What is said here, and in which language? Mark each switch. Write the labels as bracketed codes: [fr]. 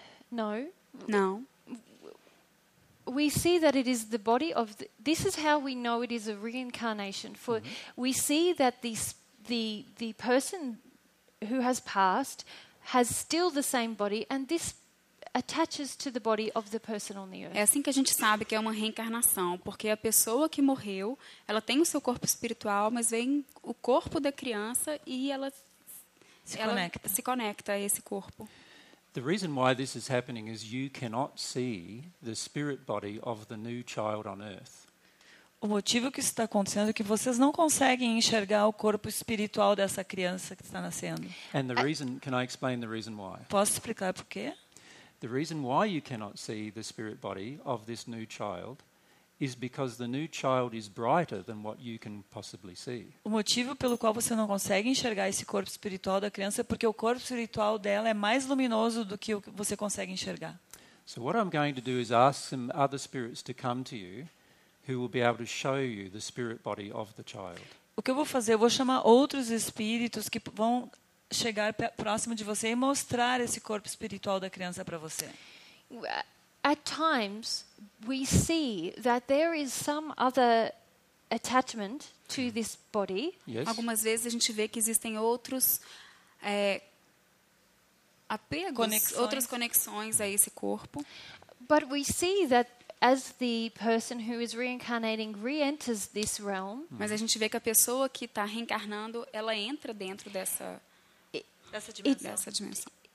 [en] No. [pt] Não. [en] We see that it is the body of the, this is how we know it is a reincarnation, for we see that the person who has passed has still the same body, and this attaches to the body of the person on the earth. [pt] É assim que a gente sabe que é uma reencarnação, porque a pessoa que morreu, ela tem o seu corpo espiritual, mas vem o corpo da criança e ela se conecta a esse corpo. [en] The reason why this is happening is you cannot see the spirit body of the new child on earth. [pt] O motivo que isso está acontecendo é que vocês não conseguem enxergar o corpo espiritual dessa criança que está nascendo. [en] And the reason, can I explain the reason why? [pt] Posso explicar por quê? [en] The reason why you cannot see the spirit body of this new child is because the new child is brighter than what you can possibly see. [pt] O motivo pelo qual você não consegue enxergar esse corpo espiritual da criança é porque o corpo espiritual dela é mais luminoso do que o que você consegue enxergar. [en] So what I'm going to do is ask some other spirits to come to you who will be able to show you the spirit body of the child. [pt] O que eu vou fazer? Eu vou chamar outros espíritos que vão chegar próximo de você e mostrar esse corpo espiritual da criança para você. [en] At times we see that there is some other attachment to this body. Yes. [pt] Algumas vezes a gente vê que existem outros apegos, outras conexões a esse corpo. [en] But we see that as the person who is reincarnating re-enters this realm. [pt] Mas a gente vê que a pessoa que está reencarnando, ela entra dentro dessa dimensão.